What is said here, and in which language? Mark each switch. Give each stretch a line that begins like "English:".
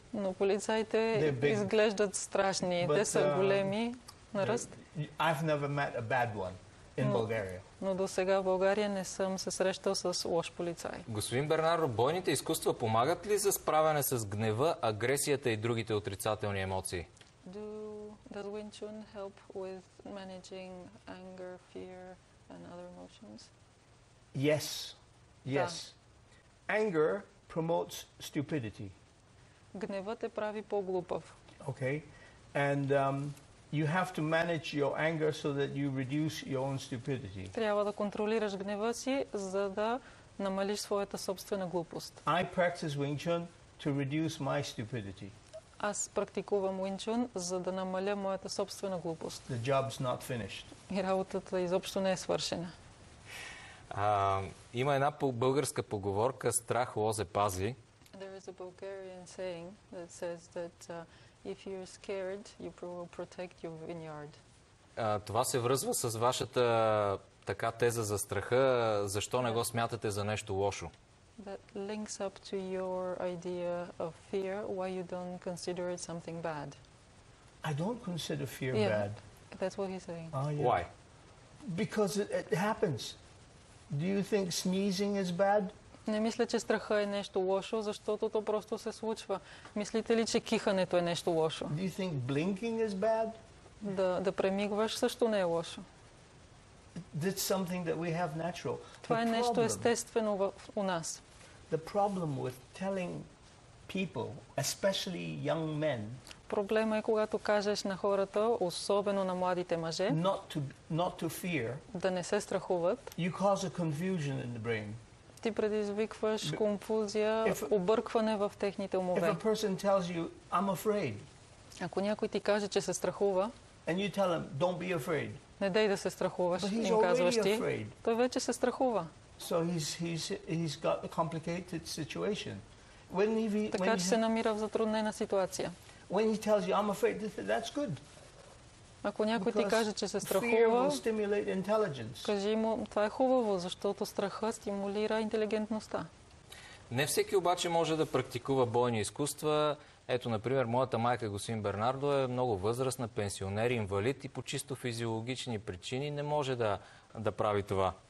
Bulgarian: Но полицаите изглеждат страшни. Те са големи на ръст.
English: I've never met a bad one in Bulgaria.
Bulgarian: Но до сега в България не съм се срещал с лош полицай. Господин Бернардо, бойните изкуства помагат ли за справяне с гнева, агресията и другите отрицателни емоции?
English: Does Wing Chun help with managing anger, fear? And other emotions? Yes. Da. Anger promotes stupidity.
Bulgarian: Гневът те прави по-глупав.
English: Okay. And you have to manage your anger so that you reduce your own stupidity.
Bulgarian: Трябва да контролираш гнева си, за да намалиш своята собствена глупост.
English: I practice Wing Chun to reduce my stupidity.
Bulgarian: Аз практикувам Wing Chun, за да намаля моята собствена глупост.
English: The job's not finished.
Bulgarian: И работата изобщо не е свършена. Има една българска поговорка: страх лозе пази.
English: There is a Bulgarian saying that says that if you're scared, you will protect your vineyard.
Bulgarian: Това се връзва с вашата така теза за страха. Защо не го смятате за нещо лошо?
English: That links up to your idea of fear, why you don't consider it something bad. I don't consider fear bad. That's what he's saying. Yeah. Why? Because it happens. Do you think sneezing is bad?
Bulgarian: Не мисля, че страхът е нещо лошо, защото то просто се случва. Мислите ли, че кихането е нещо лошо?
English: Do you think blinking is bad?
Bulgarian: Да премигваш също не е лошо.
English: That's something that we have natural.
Bulgarian: Това е нещо естествено у нас.
English: The problem with telling people, especially young men,
Bulgarian: проблема е когато кажеш на хората, особено на младите мъже,
English: not to fear,
Bulgarian: да не се страхуват.
English: You cause a confusion in the brain.
Bulgarian: Ти предизвикваш конфузия, объркване в техните умове.
English: If a person tells you, I'm afraid,
Bulgarian: ако някой ти каже, че се страхува,
English: and you tell him, don't be afraid,
Bulgarian: не дей да се страхуваш,
English: but
Bulgarian: им казваш ти.
English: Afraid.
Bulgarian: Той вече се страхува.
English: So he's got a complicated situation.
Bulgarian: Така че се намира в затруднена ситуация.
English: When he tells you, I'm afraid, that's good.
Bulgarian: Ако някой ти каже, че се страхува, кажи му, това е хубаво, защото страха стимулира интелигентността. Не всеки обаче може да практикува бойни изкуства. Ето, например, моята майка, господин Бернардо, е много възрастна, пенсионер, инвалид и по чисто физиологични причини не може да прави това.